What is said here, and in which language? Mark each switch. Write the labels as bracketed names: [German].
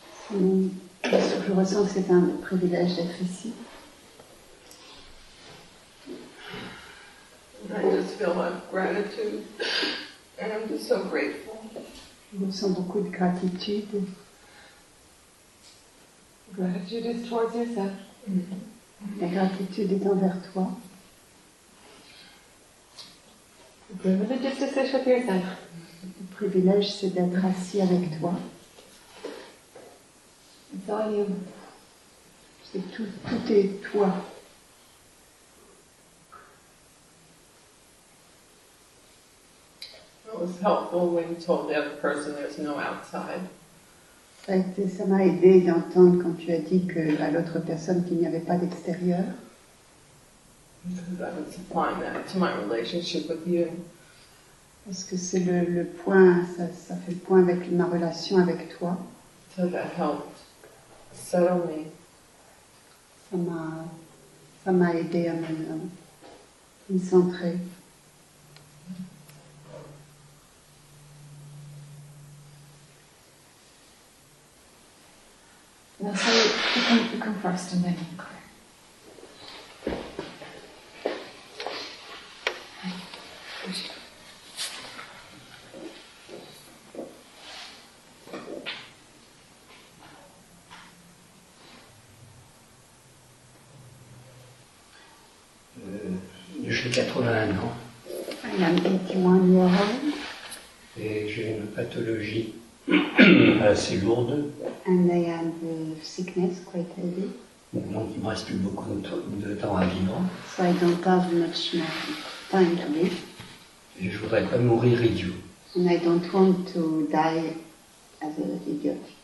[French] Je ressens que c'est un privilège d'être ici. [English] I just feel my gratitude and I'm just so grateful. [French] Je ressens beaucoup de gratitude. [English] Gratitude is towards yourself. [French] Mm-hmm. La gratitude est envers toi. [English] The privilege is to sit with yourself. [French] Le privilège, c'est d'être assis avec toi. [English] It's all you. [French] C'est tout, tout est toi. [English] It was helpful when you told the other person there's no outside. [French] Ça m'a aidé d'entendre quand tu as dit que, à l'autre personne qu'il n'y avait pas d'extérieur. [English] I was applying that to my relationship with you. [French] Parce que c'est le point, ça fait le point avec ma relation avec toi. [English] So that helped settle me. [French] Ça m'a aidé à me centrer. [English] Now, so you can come first and then you can. [French] J'ai 81 ans. [English] I am 81 years old. [French] Et j'ai une pathologie assez lourde. [English] And I have a sickness quite heavy. [French] Donc il ne me reste plus beaucoup de temps à vivre. [English] So I don't have much more time to live. [French] Et je ne voudrais pas mourir idiot. [English] And I don't want to die as an idiot.